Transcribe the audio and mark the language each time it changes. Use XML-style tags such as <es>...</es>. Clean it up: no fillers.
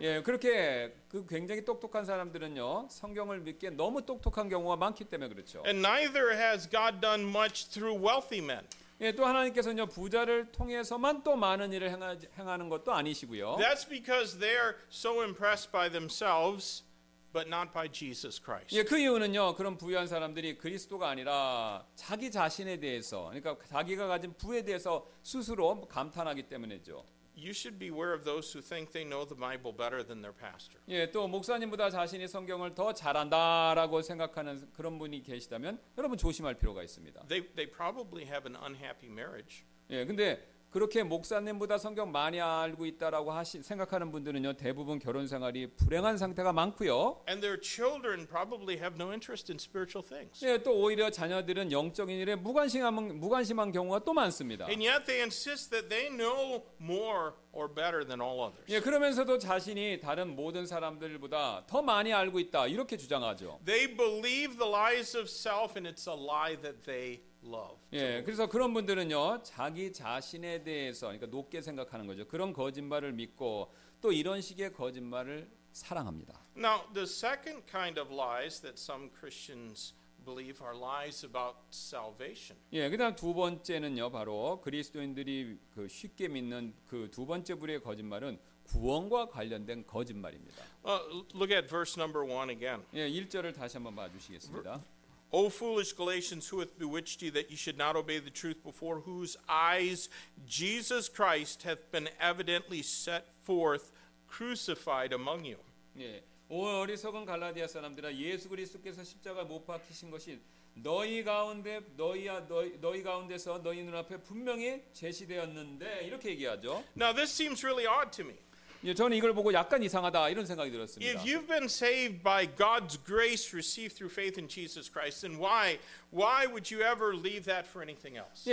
<ko>예, 그렇게 그 굉장히 똑똑한 사람들은요. 성경을 믿기에 너무 똑똑한 경우가 많기 때문에 그렇죠.</ko> <en>And neither has God done much through wealthy men.</en> <ko>예, 또 하나님께서는요. 부자를 통해서만 또 많은 일을 행하는 것도 아니시고요.</ko> <en>That's because they are so impressed by themselves. But not by Jesus Christ.</en> <ko>예, 그 이유는요. 그런 부유한 사람들이 그리스도가 아니라 자기 자신에 대해서, 그러니까 자기가 가진 부에 대해서 스스로 감탄하기 때문이죠.</ko> <en>You should beware of those who think they know the Bible better than their pastor.</en> <ko>예, 또 목사님보다 자신이 성경을 더 잘한다라고 생각하는 그런 분이 계시다면 여러분 조심할 필요가 있습니다.</ko> <en>They probably have an unhappy marriage.</en> <ko>예, 근데 그렇게 목사님보다 성경 많이 알고 있다라고 생각하는 분들은요 대부분 결혼 생활이 불행한 상태가 많고요.</ko> <en>And their children probably have no interest in spiritual things.</en> <ko>예, 또 오히려 자녀들은 영적인 일에 무관심한 경우가 또 많습니다.</ko> <en>And yet they insist that they know more or better than all others.</en> <ko>예, 그러면서도 자신이 다른 모든 사람들보다 더 많이 알고 있다 이렇게 주장하죠.</ko> <en>They believe the lies of self, and it's a lie that they.</en> <ko>예, 그래서 그런 분들은요 자기 자신에 대해서 그러니까 높게 생각하는 거죠. 그런 거짓말을 믿고 또 이런 식의 거짓말을 사랑합니다.</ko> <en>Now the second kind of lies that some Christians believe are lies about salvation.</en> <ko>예, 그다음 두 번째는요 바로 그리스도인들이 그 쉽게 믿는 그 두 번째 부류의 거짓말은 구원과 관련된 거짓말입니다.</ko> <en>Look at verse number one again.</en> <ko>예, 1절을 다시 한번 봐주시겠습니다.</ko> <en>O foolish Galatians, who hath bewitched you that you should not obey the truth before whose eyes Jesus Christ hath been evidently set forth crucified among you.</en> <ko>예, 오 어리석은 갈라디아 사람들아 예수 그리스도께서 십자가 못 박히신 것이 너희 가운데서 너희 눈앞에 분명히 제시되었는데 이렇게 얘기하죠.</ko> <en>Now this seems really odd to me.</en> <ko>예, 저는 이걸 보고 약간 이상하다 이런 생각이 들었습니다.</ko> <en>If you've been saved by God's grace received through faith in Jesus Christ, then why would you ever leave that for anything else?</en>